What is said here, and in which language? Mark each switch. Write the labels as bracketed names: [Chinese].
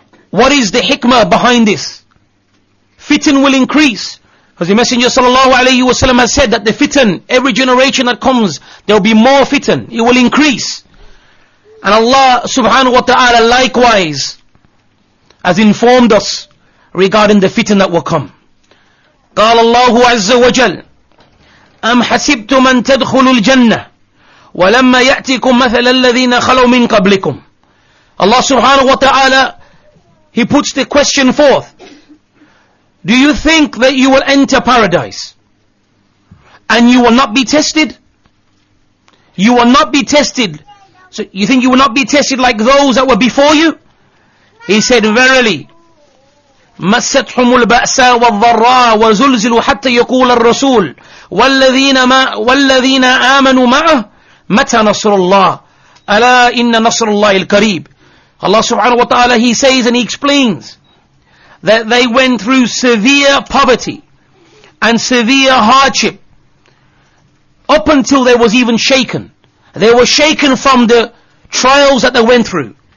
[English] What is the hikmah behind this? Fitan will increase. Because the Messenger sallallahu alayhi wa sallam has said that the fitan, every generation that comes, there will be more fitan. It will increase. And Allah subhanahu wa ta'ala likewise has informed us regarding the fitan that will come. [Arabic] قال الله عز وجل أم حسبتم أن تدخلوا الجنة ولما يأتكم مثل الذين خلوا من قبلكم. [English] Allah subhanahu wa ta'ala, he puts the question forth. Do you think that you will enter paradise and you will not be tested? You will not be tested. So you think you will not be tested like those that were before you? He said, verily, [Arabic] مَسَّتْهُمُ الْبَأْسَاءُ وَالضَّرَّاءُ وَزُلْزِلُوا حَتَّى يَقُولَ الرَّسُولُ وَالَّذِينَ آمَنُوا مَعَهُ مَتَى نَصْرُ اللَّهِ أَلَا إِنَّ نَصْرُ اللَّهِ الْقَرِيبُ. [English] Allah subhanahu wa ta'ala, he says and he explains that they went through severe poverty and severe hardship up until they was even shaken. They were shaken from the trials that they went through.